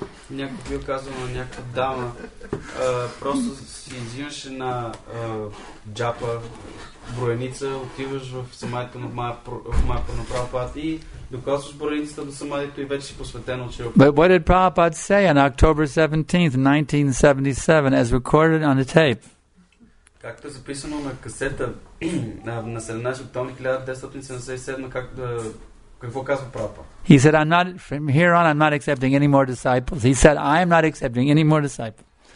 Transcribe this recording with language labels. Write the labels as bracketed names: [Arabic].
[Bulgarian] Някой бил казал на някаква дама, просто си взимаш една джапа, броеница, отиваш в самадито на Майя на Прабхупад и докосваш броеницата до самадито и вече си посветен от Шрила [English] Прабхупад. But what did Prabhupad say on October 17th, 1977, as recorded on the tape? [Bulgarian] Както е записано на касета на 17 октомври 1977, какво казва Прабхупад? [English] He said, I'm not, from here on, I'm not accepting any more disciples. He said, I am not accepting any more disciples.